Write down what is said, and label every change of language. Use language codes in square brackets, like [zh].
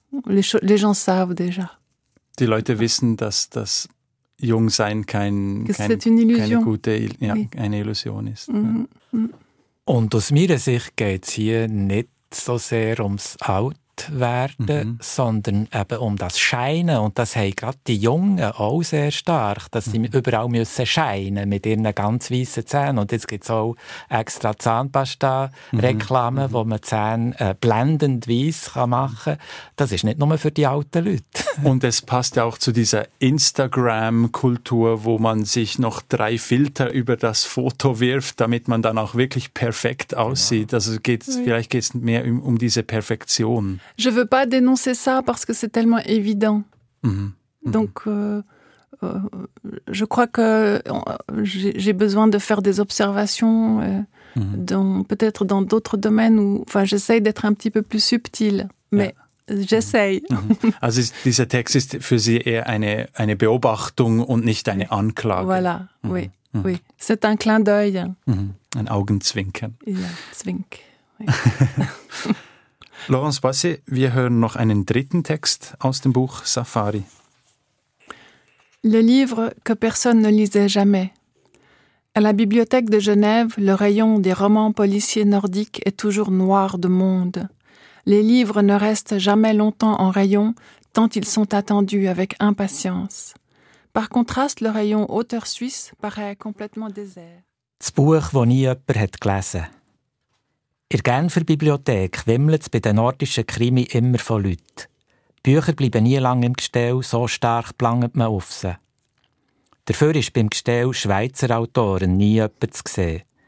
[fr] Les gens savent déjà. [de] Die Leute wissen, dass das Jungsein eine Illusion ist. Und aus meiner Sicht geht es hier nicht so sehr ums Altwerden, sondern eben um das Scheinen. Und das haben gerade die Jungen auch sehr stark, dass sie überall müssen scheinen mit ihren ganz weissen Zähnen. Und jetzt gibt es auch extra Zahnpasta-Reklame, wo man Zähne blendend weiss kann machen. Das ist nicht nur für die alten Leute. Und es passt ja auch zu dieser Instagram-Kultur, wo man sich noch 3 Filter über das Foto wirft, damit man dann auch wirklich perfekt aussieht. Genau. Also vielleicht geht es mehr um diese Perfektion. [fr] Je veux pas dénoncer ça parce que c'est tellement évident. Donc, je crois que j'ai besoin de faire des observations peut-être dans d'autres domaines où, enfin, j'essaye d'être un petit peu plus subtil, mais. Ja. J'essaye. [de] Also dieser Text ist für Sie eher eine Beobachtung und nicht eine Anklage. [fr] Voilà, oui, oui. C'est un clin d'œil. [de] Ein Augenzwinkern. Ja, zwink. [fr] Oui. [de] Laurence Boissé, wir hören noch einen dritten Text aus dem Buch Safari. [fr] Le livre que personne ne lisait jamais. À la bibliothèque de Genève, le rayon des romans policiers nordiques est toujours noir de monde. Les livres ne restent jamais longtemps en rayon, tant ils sont attendus avec impatience. Par contraste, le rayon auteur suisse paraît complètement désert. [de] Das Buch, das nie jemand hat gelesen. In der Genfer Bibliothek wimmelt es bei den nordischen Krimi immer von Leuten. Bücher bleiben nie lange im Gestell, so stark planget man auf sie. Dafür ist beim Gestell Schweizer Autoren nie jemand zu sehen.